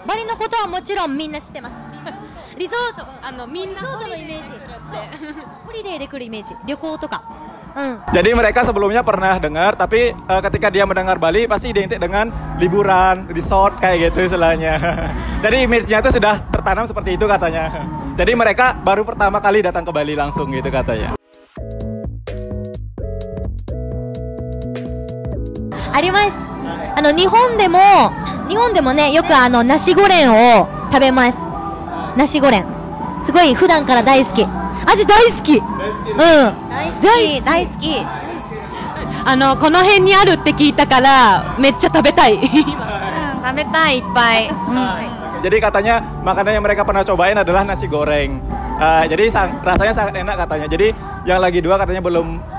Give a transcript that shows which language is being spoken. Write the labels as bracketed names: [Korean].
[Japanese] バリのことはもちろんみんな知ってます。リゾート、みんなリゾートのイメージ。ホリデーで来るイメージ。旅行とか。 [Indonesian] Jadi mereka sebelumnya pernah dengar, tapi ketika dia mendengar Bali pasti identik dengan liburan, resort kayak gitu istilahnya. Jadi image-nya itu sudah tertanam seperti itu katanya. Jadi mereka baru pertama kali datang ke Bali langsung gitu katanya. [Japanese] あります。日本でも、日本でもね、よくナシゴレンを食べます。ナシゴレンすごい普段から大好き、味大好き、うん、大好き大好き。この辺にあるって聞いたからめっちゃ食べたい。食べたい、いっぱい。 [Indonesian] jadi katanya makanan yang mereka pernah cobain adalah nasi goreng. Jadi rasanya sangat enak katanya. Jadi yang lagi dua katanya belum